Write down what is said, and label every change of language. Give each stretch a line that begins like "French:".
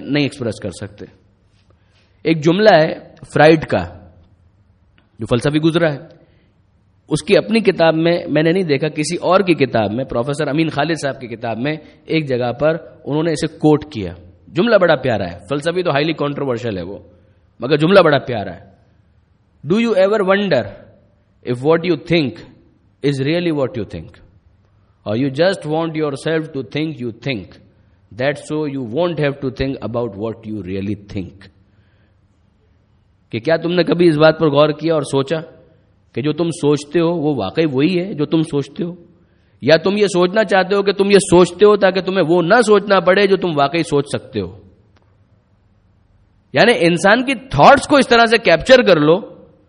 Hindi: नहीं एक्सप्रेस कर सकते। एक जुमला है फ्राइड का, जो फलसफी गुजरा है, उसकी अपनी किताब में मैंने नहीं देखा, किसी और की किताब में, प्रोफेसर अमीन खालिद साहब की किताब में एक जगह पर उन्होंने इसे कोट किया। जुमला बड़ा प्यारा है, फलसफी तो
English: highly controversial
Hindi: है वो, मगर जुमला बड़ा प्यारा है।
English: Do you ever wonder if what you think is really what you think? Or you just want yourself to think you think, that so you won't have to think about what you really think?
Hindi: कि क्या तुमने कभी इस बात पर गौर किया और सोचा कि जो तुम सोचते हो वो वाकई वही है जो तुम सोचते हो? या तुम ये सोचना चाहते हो कि तुम ये सोचते हो ताकि तुम्हें वो ना सोचना पड़े जो तुम वाकई सोच सकते हो? यानी इंसान की थॉट्स को इस तरह से कैप्चर कर लो